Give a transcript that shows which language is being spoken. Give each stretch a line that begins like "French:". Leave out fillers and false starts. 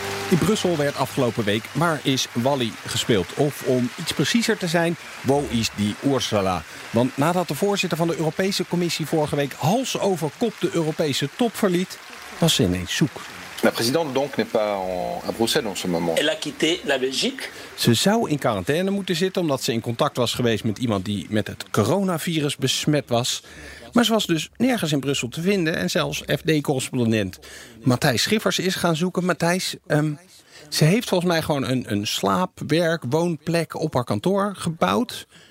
Dutch: In Brussel werd afgelopen week Waar is Wally gespeeld?
German: Of om iets preciezer te zijn, Wo is die Ursula?
Dutch: Want nadat de voorzitter van de Europese Commissie vorige week hals over kop de Europese top verliet, was ze ineens zoek.
French: La présidente donc n'est pas à Bruxelles en ce moment. Elle a quitté la Belgique.
Dutch: Ze zou in quarantaine moeten zitten omdat ze in contact was geweest met iemand die met het coronavirus besmet was. Maar ze was dus nergens in Brussel te vinden en zelfs FD-correspondent Matthijs Schiffers is gaan zoeken. Matthijs, ze heeft volgens mij gewoon een slaap-, werk-, woonplek op haar kantoor gebouwd.